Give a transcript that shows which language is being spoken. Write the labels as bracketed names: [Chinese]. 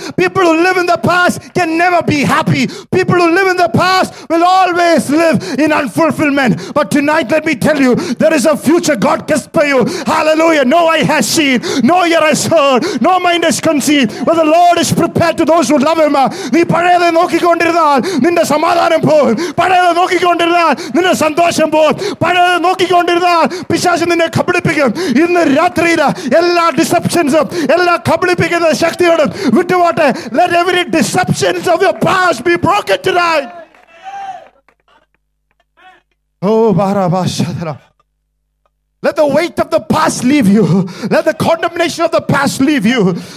[English] People who live in the past can never be happy. People who live in the past will always live in unfulfillment. But tonight, let me tell you, there is a future God kissed for you. Hallelujah. No eye has seen, no ear has heard, no mind has conceived, but the Lord is prepared to those who love Him. [Malayalam] നീ പഴയതെ നോക്കിക്കൊണ്ടിരുന്നാൽ നിന്റെ സമാധാനം പോകും. പഴയതെ നോക്കിക്കൊണ്ടിരുന്നാൽ നിന്റെ സന്തോഷം പോകും. പഴയതെ നോക്കിക്കൊണ്ടിരുന്നാൽ പിശാച് നിന്നെ കബളിപ്പിക്കും. ഇന്ന് രാത്രിയിൽ എല്ലാ ഡിസെപ്ഷൻസും എല്ലാ കബളിപ്പിക്കുന്ന ശക്തിയോടും വിട്ടുപോട്ടെ. [English] Let every deceptions of your past be broken tonight. ഓ ബാരാബാശദര. Let the weight of the past leave you. Let the condemnation of the past leave you.